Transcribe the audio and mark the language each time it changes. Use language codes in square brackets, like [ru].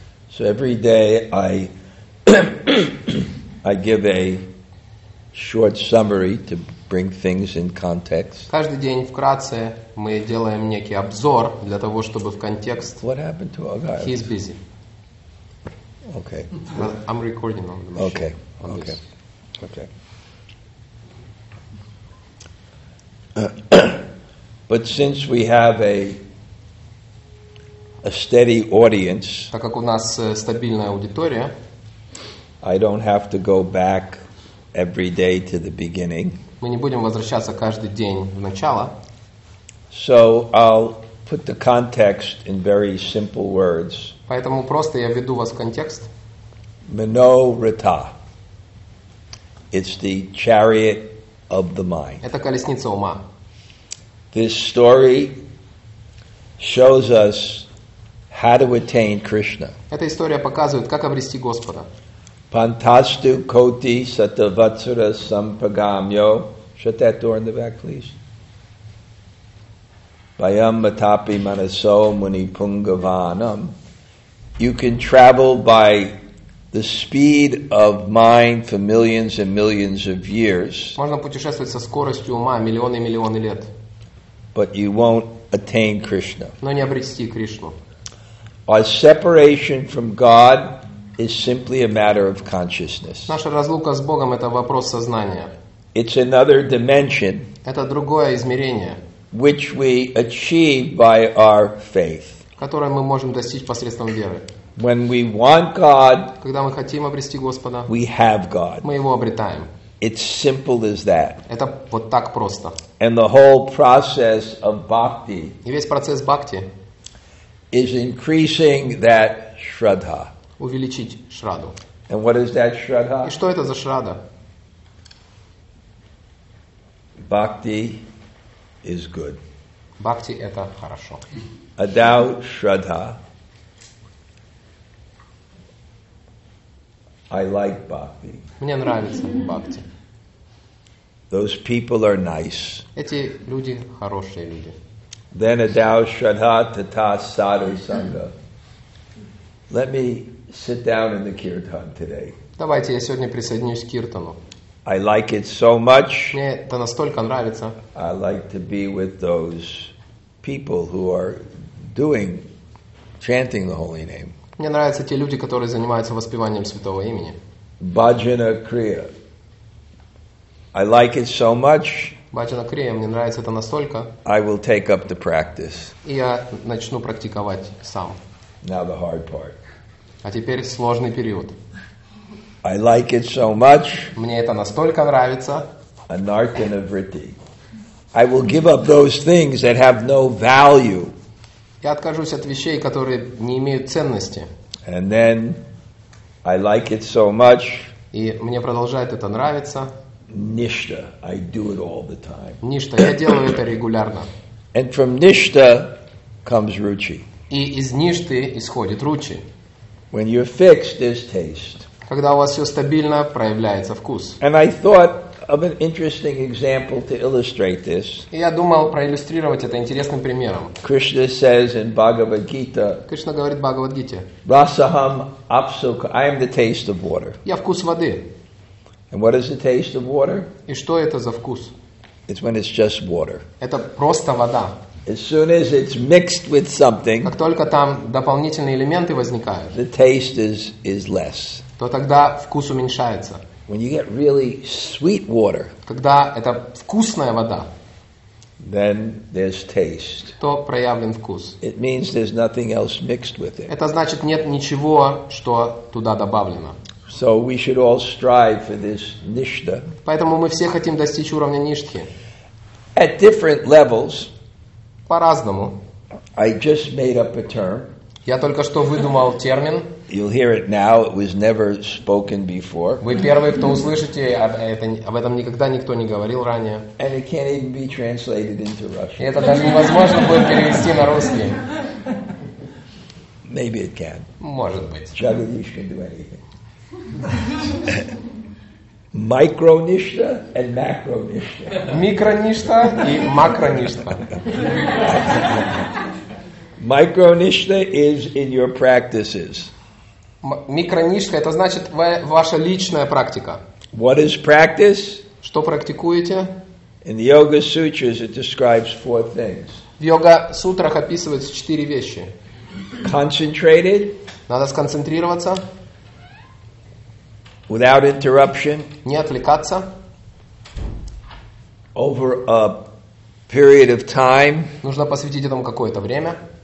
[en] So every day I give a short summary to bring things in context. [ru] Каждый день вкратце мы делаем некий обзор для того, чтобы в контекст. [en] What happened to our guy? He's busy. Okay. Well, I'm recording on the machine. Okay. On okay. This. Okay. But since we have a steady audience, [ru] так как у нас стабильная аудитория, [en] I don't have to go back every day to the beginning. [ru] Мы не будем возвращаться каждый день в начало. [en] So I'll put the context in very simple words. [ru] Поэтому просто я введу вас в контекст. [sa] Manorata. [en] It's the chariot of the mind. [ru] Это колесница ума. [en] This story shows us how to attain Krishna. [ru] Эта история показывает, как обрести Господа. [sa] Pantastu koti satavatsura sampagamyo. [en] Shut that door in the back, please. [sa] Vayam matapi manaso munipungavanam. [en] You can travel by the speed of mind for millions and millions of years. [ru] Можно путешествовать со скоростью ума миллионы и миллионы лет. [en] But you won't attain Krishna. [ru] Но не обрести Кришну. [en] Our separation from God is simply a matter of consciousness. [ru] Наша разлука с Богом — это вопрос сознания. [en] It's another dimension. [ru] Это другое измерение. [en] Which we achieve by our faith. [ru] Которое мы можем достичь посредством веры. [en] When we want God, [ru] когда мы хотим обрести Господа, [en] we have God. [ru] Мы его обретаем. [en] It's simple as that. [ru] Это вот так просто. [en] And the whole process of bhakti. [ru] И весь процесс бхакти [en] is increasing that shraddha. [ru] Увеличить шрадху. [en] And what is that shraddha? [ru] И что это за шрадха? [en] Bhakti is good. [ru] Бхакти — это хорошо. [sa] Adau shraddha. [en] I like bhakti. [ru] Мне нравится бхакти. [en] The Those people are nice. [ru] Эти люди хорошие люди. [sa] Then adau shradhat tatas sadhu sangha. [en] Let me sit down in the kirtan today. [ru] Давайте я сегодня присоединюсь к киртану. [en] I like it so much. [ru] Мне это настолько нравится. [en] I like to be with those people who are doing chanting the holy name. [ru] Мне нравятся те люди, которые занимаются воспеванием святого имени. [en] Bhajana Kriya. I like it so much. [ru] Bhajana Kriya, мне нравится это настолько. [en] I will take up the practice. [ru] И я начну практиковать сам. [en] Now the hard part. [ru] А теперь сложный период. [en] I like it so much. [ru] Мне это настолько нравится. [sa] Anarthana Vritti. [en] I will give up those things that have no value. [ru] Я откажусь от вещей, которые не имеют ценности. [en] And then, I like it so much. [ru] И мне продолжает это нравиться. [en] Ништа. I do it all the time. [ru] Ништа. Я делаю это регулярно. [en] And from ништа comes ручи. [ru] И из ништы исходит ручи. [en] When you're fixed, there's taste. [ru] Когда у вас все стабильно, проявляется вкус. [en] And I thought of an interesting example to illustrate this. [ru] Я думал проиллюстрировать это интересным примером. [en] Krishna says in Bhagavad Gita. [ru] Кришна говорит в Бхагавад Гите. [sa] Rasaham apsuk. [en] I am the taste of water. [ru] Я вкус воды. [en] And what is the taste of water? [ru] И что это за вкус? [en] It's when it's just water. [ru] Это просто вода. [en] As soon as it's mixed with something. [ru] Как только там дополнительные элементы возникают. [en] The taste is less. [ru] То тогда вкус уменьшается. [en] When you get really sweet water, [ru] когда это вкусная вода, [en] then there's taste. [ru] То проявлен вкус. [en] It means there's nothing else mixed with it. [ru] Это значит нет ничего, что туда добавлено. [en] So we should all strive for this nishtha. [ru] Поэтому мы все хотим достичь уровня ништхи. [en] At different levels, [ru] по-разному. [en] I just made up a term. [ru] Я только что выдумал термин. [en] You'll hear it now. It was never spoken before. [ru] Вы первые, кто услышите об этом никогда никто не говорил ранее. [en] And it can't even be translated into Russian. [ru] Это даже невозможно будет перевести на русский. [en] Maybe it can. [ru] Может быть. [en] Jagadish can do anything. Micronishta and macronishta. [ru] Микроништа и макроништа. [en] Micronishta is in your practices. [ru] Микроништа это значит ваша личная практика. [en] What is practice? [ru] Что практикуете? [en] In the Yoga Sutras it describes four things. [ru] В Йога Сутрах описывается четыре вещи. [en] Concentrated. [ru] Надо сконцентрироваться. [en] Without interruption. [ru] Не отвлекаться. [en] Over a period of time. [ru] Нужно посвятить этому какое-то время.